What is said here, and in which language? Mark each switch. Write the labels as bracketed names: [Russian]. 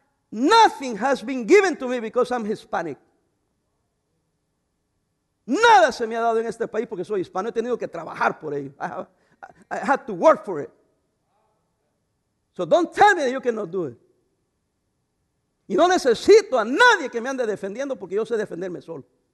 [English] Nothing has been given to me because I'm Hispanic. [Spanish] Nada se me ha dado en este país porque soy hispano. He tenido que trabajar por ello. [English] I had to work for it. So don't tell me that you cannot do it. [Spanish] Y no necesito a nadie que me ande defendiendo porque yo sé defenderme solo.